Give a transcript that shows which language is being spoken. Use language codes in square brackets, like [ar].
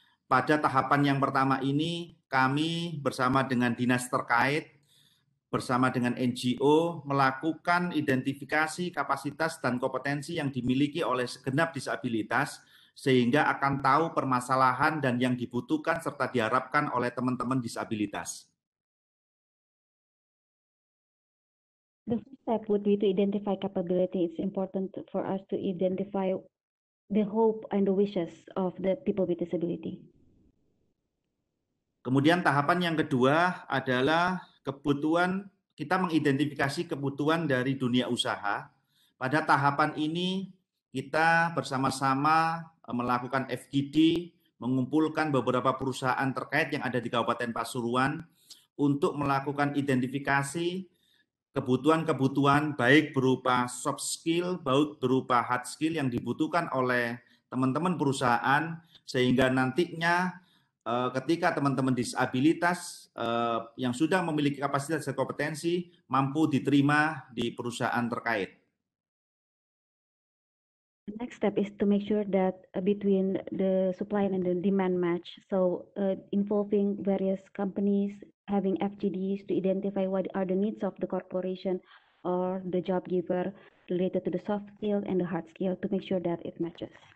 [id] Pada tahapan yang pertama ini, kami bersama dengan dinas terkait, bersama dengan NGO, melakukan identifikasi kapasitas dan kompetensi yang dimiliki oleh segenap disabilitas, sehingga akan tahu permasalahan dan yang dibutuhkan serta diharapkan oleh teman-teman disabilitas. [en] The first step would be to identify capability. It's important for us to identify the hope and the wishes of the people with disability. [id] Kemudian tahapan yang kedua adalah kebutuhan, kita mengidentifikasi kebutuhan dari dunia usaha. Pada tahapan ini kita bersama-sama melakukan FGD, mengumpulkan beberapa perusahaan terkait yang ada di Kabupaten Pasuruan untuk melakukan identifikasi kebutuhan-kebutuhan baik berupa soft skill, baik berupa hard skill yang dibutuhkan oleh teman-teman perusahaan, sehingga nantinya ketika teman-teman disabilitas yang sudah memiliki kapasitas dan kompetensi mampu diterima di perusahaan terkait. [en] The next step is to make sure that between the supply and the demand match, so involving various companies, having FGDs to identify what are the needs of the corporation or the job giver related to the soft skill and the hard skill to make sure that it matches.